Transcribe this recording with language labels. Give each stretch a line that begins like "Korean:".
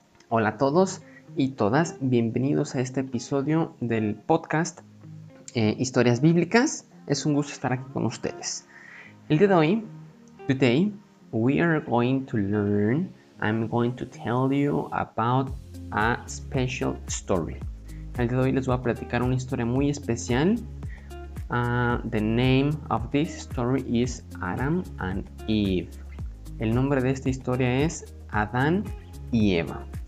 Spanish: Hola a todos y todas. Bienvenidos a este episodio del podcast Historias Bíblicas. Es un gusto estar aquí con ustedes. El día de hoy,
English: today, we are going to learn, I'm going to tell you about a special story.
Spanish: El día de hoy les voy a platicar una historia muy especial.
English: The name of this story is Adam and Eve.
Spanish: El nombre de esta historia es Adán y Eva.